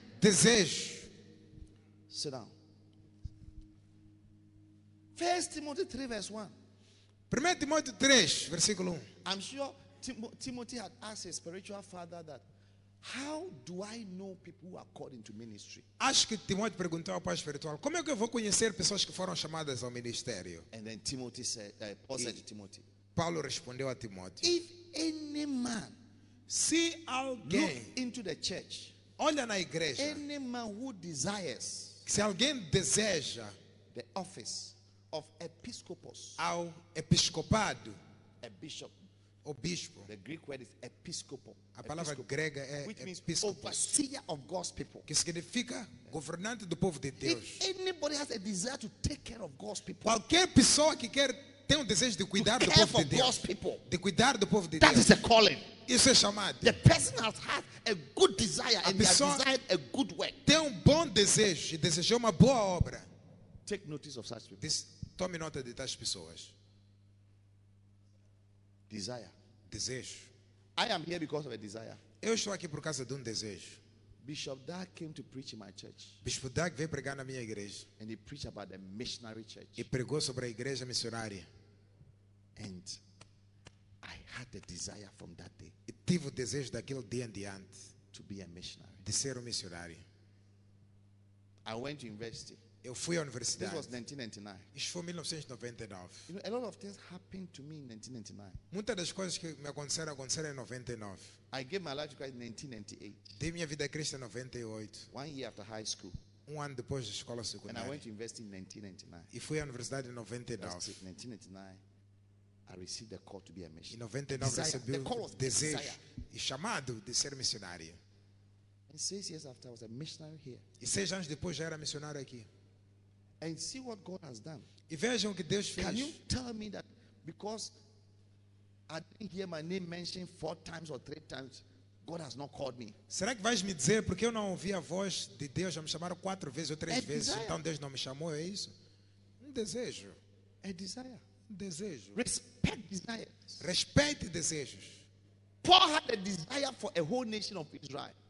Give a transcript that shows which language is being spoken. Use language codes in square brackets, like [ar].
[pt] Desejo. [en] Sit down. 1 Timothy 3 verse 1. [pt] 1 Timóteo 3, versículo 1. [en] I'm sure Timothy had asked his spiritual father that, how do I know people who are called into ministry? [pt] Acho que Timóteo perguntou ao pai espiritual, como é que eu vou conhecer pessoas que foram chamadas ao ministério? [en] And then Timothy said, Paul said to Timothy, [pt] Paulo respondeu a Timóteo. [en] If any man, [pt] se alguém, [en] look into the church, [pt] olha na igreja, [en] any man who desires, [pt] se alguém deseja, [en] the office of episcopos, [pt] ao episcopado, [en] a bishop, [pt] o bispo, [en] the Greek word is episcopal, [pt] a palavra episcopal, grega é [en] which [pt] episcopos, [en] means overseer of God's people, [pt] que significa governante do povo de Deus. [en] If anybody has a desire to take care of God's people, [pt] qualquer pessoa que quer tem um desejo de cuidar do povo de Deus. [en] People, [pt] de cuidar do povo de [en] that [pt] Deus. [en] Is a calling. [pt] Isso é chamado. [en] The person has had a good desire and they have desired a good work. [pt] Tem um bom desejo e desejou uma boa obra. [en] Take notice of such people. [pt] Tome nota de tais pessoas. [en] Desire. [pt] Desejo. [en] I am here because of a desire. [pt] Eu estou aqui por causa de um desejo. [en] Bishop Dag came to preach in my church. [pt] Bispo Dag veio pregar na minha igreja. [en] And he preached about the missionary church. [pt] E pregou sobre a igreja missionária. [en] And I had the desire from that day. [pt] E tive o desejo daquele dia em diante. [en] To be a missionary. [pt] De ser um missionário. [en] I went to university. [pt] Eu fui à universidade. [en] This was 1999. [pt] Isso foi 1999. [en] You know, a lot of things happened to me in 1999. [pt] Muitas das coisas que me aconteceram em 99. [en] I gave my life to Christ in 1998. [pt] Dei minha vida a Cristo em 98. [en] 1 year after high school. [pt] Ano depois da escola secundária. [en] And I went to university in 1999. [pt] E fui à universidade em 99. [en] In 1999, I received a call to be a missionary. [pt] Em 99 recebi o desejo e chamado de ser missionário. [en] And 6 years after, I was a missionary here. [pt] E 6 anos depois já era missionário aqui. [en] And see what God has done. [pt] E vejam o que Deus fez. [en] Can you tell me that because I didn't hear my name mentioned 4 times or 3 times, God has not called me? [pt] Será que vais me dizer porque eu não ouvi a voz de Deus? Já me chamaram 4 vezes ou 3 vezes. [en] Desire. [pt] Então Deus não me chamou, é isso? Um desejo. [en] A desire. [pt] Um desejo. [en] Respect desires. [pt] Respeite desejos. [en] Paul had a desire for a whole nation of Israel.